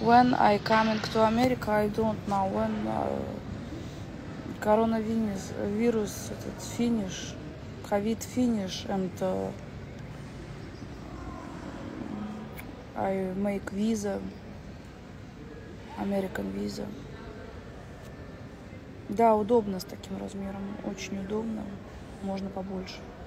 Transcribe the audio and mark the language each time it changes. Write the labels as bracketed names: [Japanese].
[English] When I coming to America, I don't know. When [Russian] коронавирус, этот финиш. Ковид финиш, [English] and I make visa, American visa. [Russian] Да, удобно с таким размером, очень удобно, можно побольше.